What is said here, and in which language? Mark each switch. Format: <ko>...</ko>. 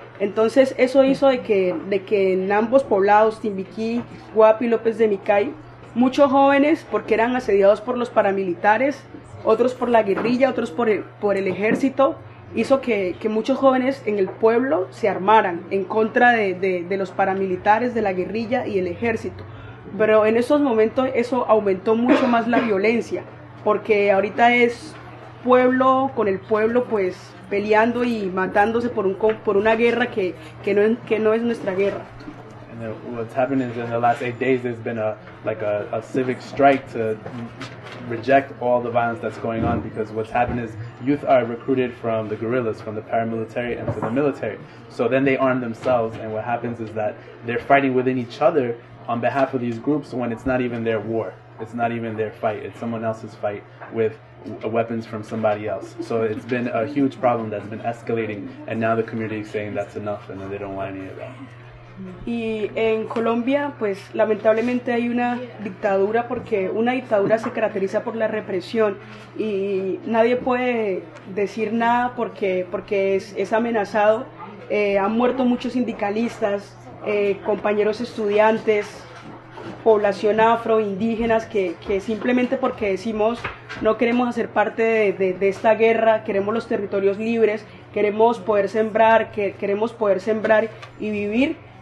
<es>Entonces eso hizo de que en ambos poblados, Timbiquí, Guapi, López de Micay, muchos jóvenes, porque eran asediados por los paramilitares, otros por la guerrilla, otros por el ejército, hizo que muchos jóvenes en el pueblo se armaran en contra de los paramilitares, de la guerrilla y el ejército. Pero en esos momentos eso aumentó mucho más la violencia, porque ahorita es pueblo con el pueblo, pues, peleando y matándose por una guerra que no es nuestra guerra.</es> <en>And then what's happened is in the last 8 days there's been a civic strike to reject all the violence that's going on, because what's happened is youth are recruited from the guerrillas, from the paramilitary and from the military. So then they arm themselves, and what happens is that they're fighting within each other on behalf of these groups when it's not even their war. It's not even their fight. It's someone else's fight with weapons from somebody else. So it's been a huge problem that's been escalating, and now the community is saying that's enough, and then they don't want any of that.</en> <es>Y en Colombia, pues lamentablemente hay una dictadura, porque una dictadura se caracteriza por la represión y nadie puede decir nada porque es amenazado. Han muerto muchos sindicalistas, compañeros estudiantes, población afro, indígenas, que simplemente porque decimos no queremos hacer parte de esta guerra, queremos los territorios libres, queremos poder sembrar, queremos poder sembrar y vivir.</es>